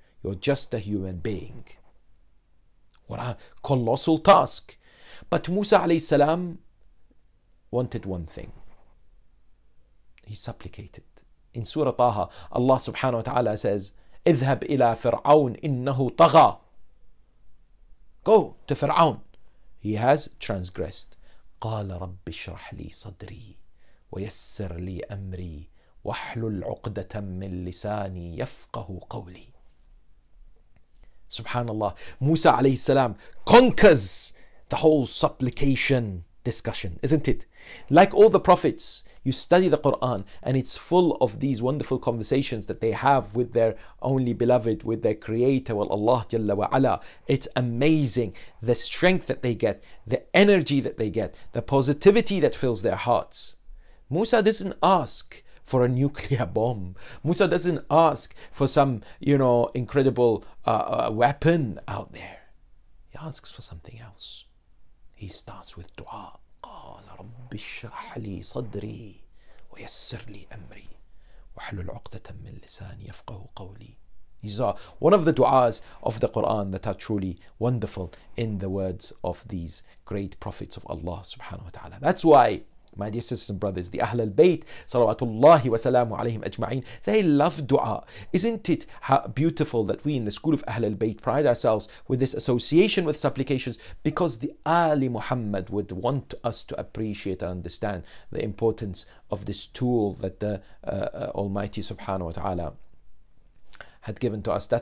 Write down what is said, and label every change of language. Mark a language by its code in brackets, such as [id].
[en] You're just a human being. What a colossal task. But Musa alayhi salam wanted one thing. He supplicated. In Surah Taha, Allah subhanahu wa ta'ala says, [ar] اذهب إلى فرعون إنه طغى. [en] Go to Fir'aun. He has transgressed. [ar] قال رب اشرح لي صدري ويسر لي أمري واحلل عقدة من لساني يفقه قولي. [en] Subhanallah, Musa alayhi salam conquers the whole supplication discussion, isn't it? Like all the prophets, you study the Quran and it's full of these wonderful conversations that they have with their only beloved, with their creator, well, Allah Jalla wa Ala. It's amazing the strength that they get, the energy that they get, the positivity that fills their hearts. Musa doesn't ask for a nuclear bomb. Musa doesn't ask for some, you know, incredible weapon out there. He asks for something else. He starts with dua. [ar] قال رب اشرح لي صدري ويسر لي امري واحلل عقدة من لساني يفقه قولي. [en] These are one of the du'as of the Quran that are truly wonderful in the words of these great prophets of Allah subhanahu wa ta'ala. That's why, my dear sisters and brothers, the Ahlul Bayt salawatullahi wa salamu alayhim ajma'in, they love dua. Isn't it beautiful that we in the school of Ahlul Bayt pride ourselves with this association with supplications, because the Ali Muhammad would want us to appreciate and understand the importance of this tool that the Almighty subhanahu wa ta'ala had given to us.